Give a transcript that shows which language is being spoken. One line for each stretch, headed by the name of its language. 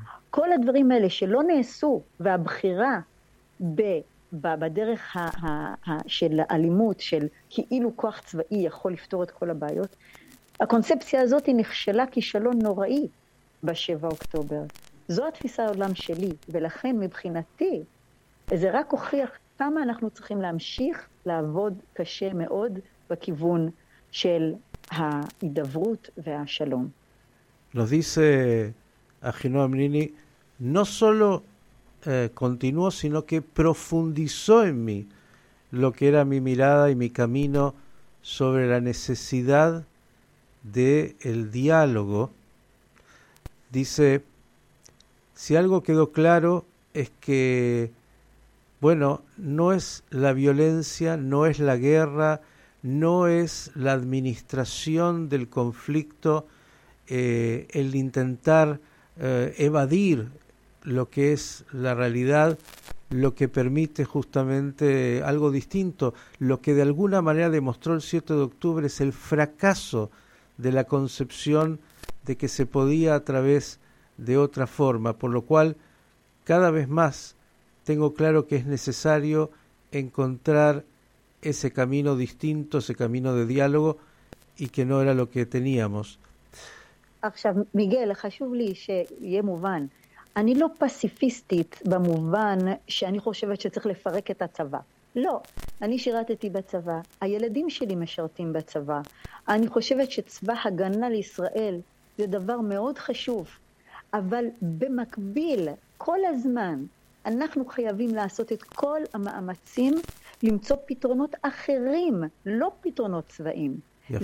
Hebrew: כל הדברים האלה שלא נעשו, והבחירה בדרך של האלימות, של כאילו כוח צבאי יכול לפתור את כל הבעיות, הקונספציה הזאת היא נכשלה כישלון נוראי בשבע אוקטובר. זו התפיסה העולם שלי, ולכן מבחינתי זה רק הוכיח כמה אנחנו צריכים להמשיך לעבוד קשה מאוד בכיוון של ההידברות והשלום.
Spanish: Lo dice Ahinoam Nini, no solo continuó, sino que profundizó en mí lo que era mi mirada y mi camino sobre la necesidad del diálogo. Dice, si algo quedó claro es que, bueno, no es la violencia, no es la guerra, no es la administración del conflicto, el intentar evadir lo que es la realidad, lo que permite justamente algo distinto. Lo que de alguna manera demostró el 7 de octubre es el fracaso de la concepción de que se podía a través de otra forma, por lo cual cada vez más tengo claro que es necesario encontrar ese camino distinto, ese camino de diálogo, y que no era lo que teníamos.
Hebrew: עכשיו, מיגל, חשוב לי שיהיה מובן. אני לא פסיפיסטית במובן שאני חושבת שצריך לפרק את הצבא. לא, אני שירתתי בצבא, הילדים שלי משרתים בצבא. אני חושבת שצבא הגנה לישראל זה דבר מאוד חשוב, אבל במקביל, כל הזמן, אנחנו חייבים לעשות את כל המאמצים למצוא פתרונות אחרים, לא פתרונות צבאיים. יפה.